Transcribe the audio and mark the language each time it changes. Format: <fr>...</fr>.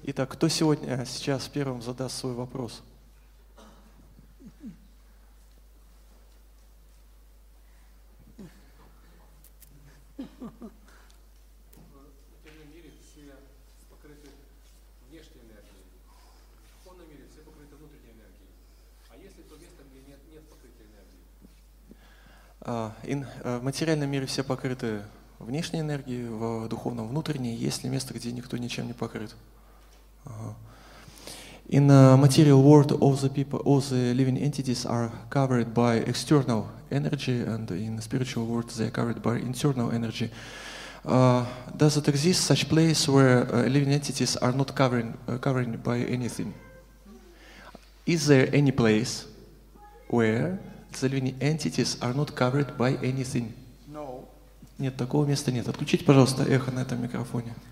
<ru>Итак, кто сегодня сейчас первым задаст свой вопрос? В материальном мире все покрыты внешней энергией, в духовном — внутренней. Есть ли место, где никто ничем не покрыт?</ru> <en>In the material world, all the living entities are covered by external energy, and in the spiritual world, they are covered by internal energy. Does it exist such place where living entities are not covered by anything? Is there any place where the living entities are not covered by anything? No.</en> <ru>Нет, такого места нет. Отключите, пожалуйста, эхо на этом микрофоне.</ru>